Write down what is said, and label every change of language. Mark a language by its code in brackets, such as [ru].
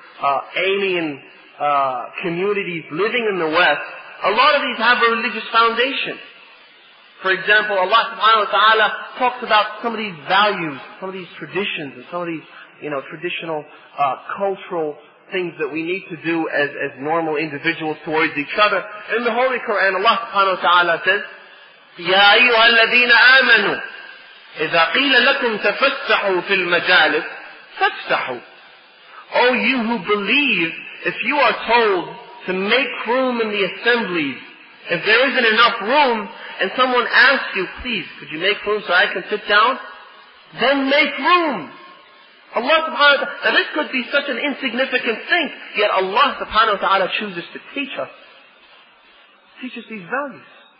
[en] alien communities living in the West, a lot of these have a religious foundation. For example, Allah subhanahu wa ta'ala talks about some of these values, some of these traditions, and some of these, you know, traditional cultural things that we need to do as normal individuals towards each other. In the Holy Quran, [ar] Allah subhanahu wa ta'ala [en] says, [ar] يَا أَيُّهَا الَّذِينَ آمَنُوا إِذَا قِيلَ لَكُمْ تَفَسَّحُوا فِي الْمَجَالِسِ فَفْسَحُوا. [en] O you who believe, if you are told to make room in the assemblies, if there isn't enough room, and someone asks you, please, could you make room so I can sit down? Then make room! Allah subhanahu wa ta'ala, now this could be such an insignificant thing, yet Allah subhanahu wa ta'ala chooses to teach us these values.